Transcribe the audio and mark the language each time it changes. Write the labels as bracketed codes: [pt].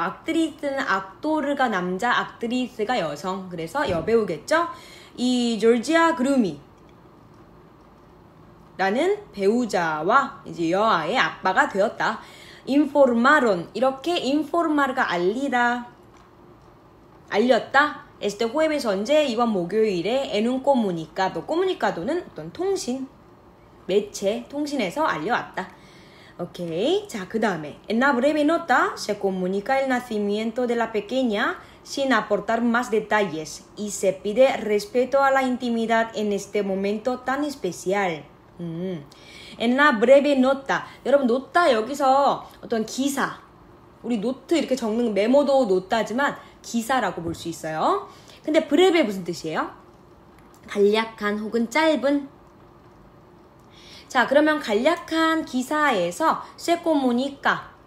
[ko] 악트리스는 악토르가 남자, 악트리스가 여성. 그래서 여배우겠죠? 이 조지아 그루미 라는 배우자와 이제 여아의 아빠가 되었다. Informaron 이렇게 informar가 알리다, 알렸다. [es] Este jueves [ko] 언제? 이번 목요일에 [es] en un comunicado. [ko] Comunicado는 어떤 통신 매체, 통신에서 알려왔다. 오케이. [es] 자, 그 다음에 en la breve nota se comunica el nacimiento de la pequeña sin aportar más detalles y se pide respeto a la intimidad en este momento tan especial. En la breve nota. [ko] 여러분, nota 여기서 어떤 기사. 우리 노트 이렇게 적는 메모도 nota지만 기사라고 볼 수 있어요. 근데 breve 무슨 뜻이에요? 간략한 혹은 짧은. 자, 그러면 간략한 기사에서 [es] se comunica.